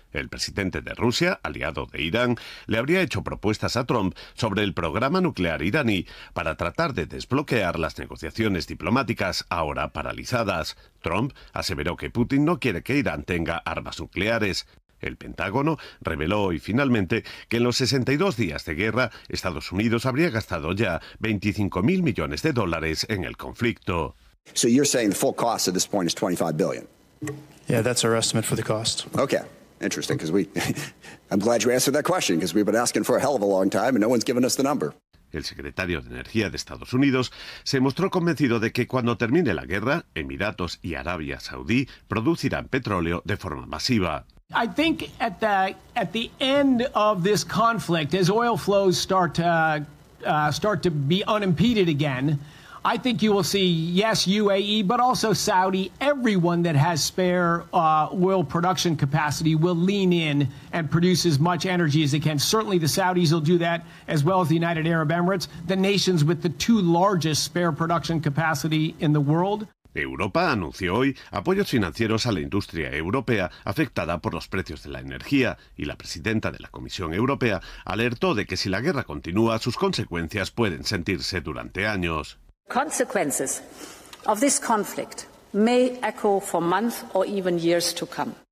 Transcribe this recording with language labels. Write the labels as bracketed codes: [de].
[es] El presidente de Rusia, aliado de Irán, le habría hecho propuestas a Trump sobre el programa nuclear iraní para tratar de desbloquear las negociaciones diplomáticas ahora paralizadas. Trump aseveró que Putin no quiere que Irán tenga armas nucleares. El Pentágono reveló hoy finalmente que en los 62 días de guerra, Estados Unidos habría gastado ya 25,000 millones de dólares en el conflicto. [en] So you're saying the full cost at this point is 25 billion. Yeah, that's our estimate for the cost. Okay. Interesting, because I'm glad you answered that question, because we've been asking for a hell of a long time and no one's given us the number. [es] El secretario de Energía de Estados Unidos se mostró convencido de que cuando termine la guerra, Emiratos y Arabia Saudí producirán petróleo de forma masiva. [en] I think at the end of this conflict, as oil flows start to be unimpeded again, I think you will see, yes, UAE, but also Saudi. Everyone that has spare oil production capacity will lean in and produce as much energy as they can. Certainly the Saudis will do that, as well as the United Arab Emirates, the nations with the two largest spare production capacity in the world. [es] Europa anunció hoy apoyos financieros a la industria europea afectada por los precios de la energía y la presidenta de la Comisión Europea alertó de que si la guerra continúa, sus consecuencias pueden sentirse durante años. [en] Consequences of this conflict may echo for months or even years to come.